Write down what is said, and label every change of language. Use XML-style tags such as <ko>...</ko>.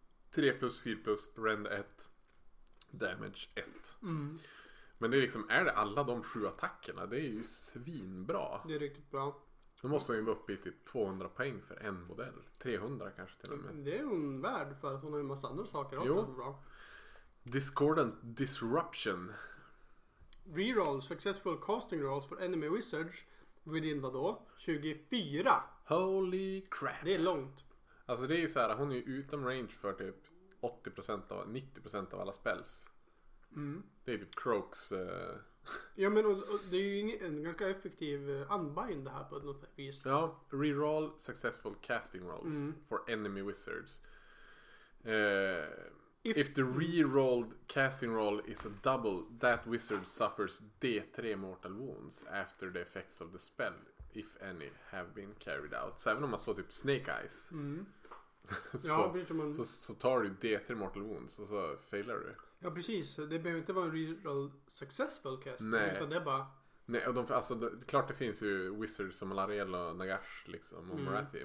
<en>3 plus 4 plus rend 1 damage 1.</en> <sv>Mm. Men det är liksom, är det alla de 7 attackerna? Det är ju svinbra. Det är riktigt bra. Då måste hon ju vara uppe i typ 200 poäng för en modell. 300 kanske till och med. Det är hon värd för att hon har en massa andra saker också. Jo. Det är bra.</sv> <en>Discordant Disruption. Reroll successful casting rolls for enemy wizards within</en> <sv>vadå? 24.</sv> <en>Holy crap.</en> <sv>Det är långt. Alltså det är ju så här, hon är ju utom range för typ 80% av, 90% av alla spells. Mm. Det är typ Croaks. Ja, men det är ju en ganska effektiv unbind det här på något vis.</sv> <en>Ja, reroll successful casting rolls for enemy wizards. If the rerolled casting roll is a double, that wizard suffers D3 mortal wounds after the effects of the spell, if any, have been carried out.</en> <sv>Så även om man slår typ snake eyes. Mm. Så tar du D3 mortal wounds och så failar du. Ja, precis. Det behöver inte vara en reroll successful cast. Nej. Utan det är bara... Nej, och klart det finns ju wizards som Lariel och Nagash liksom, och Morathi.</sv>